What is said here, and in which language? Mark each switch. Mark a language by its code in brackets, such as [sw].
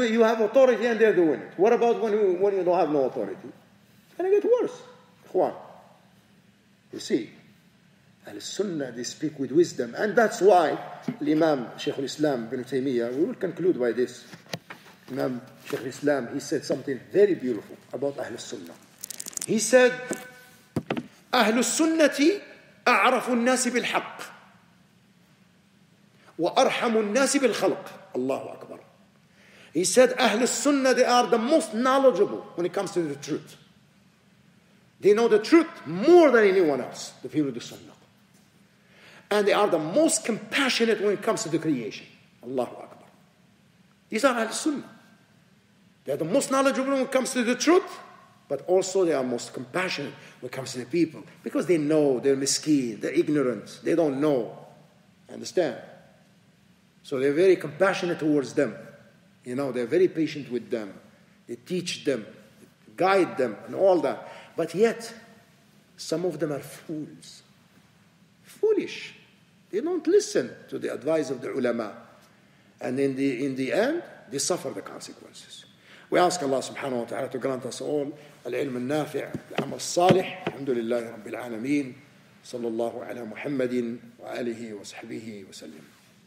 [en] You have authority and they're doing it. What about when you don't have no authority? It's going to get worse. Juan. You see? Al-Sunnah, they speak with wisdom. And that's why Imam Sheikh al-Islam ibn Taymiyyah, we will conclude by this. Imam Sheikh al-Islam, he said something very beautiful about Ahl-Sunnah. He said, [ar] Ahl-Sunnati أعرف الناس بالحق وأرحم الناس بالخلق. [en] Allahu Akbar. He said, Ahl-Sunnah, they are the most knowledgeable when it comes to the truth. They know the truth more than anyone else, the people of the Sunnah. And they are the most compassionate when it comes to the creation. Allahu Akbar. These are Ahl-Sunnah. They are the most knowledgeable when it comes to the truth, but also they are most compassionate when it comes to the people, because they know they're miskeen, they're ignorant, they don't know. Understand? So they're very compassionate towards them. You know, they're very patient with them. They teach them, guide them, and all that. But yet, some of them are fools. Foolish. They don't listen to the advice of the ulama. And in the end, they suffer the consequences. We ask Allah subhanahu wa ta'ala to grant us all [ar] العلم النافع العمل الصالح الحمد لله رب العالمين صلى الله على محمد وآله وصحبه وسلم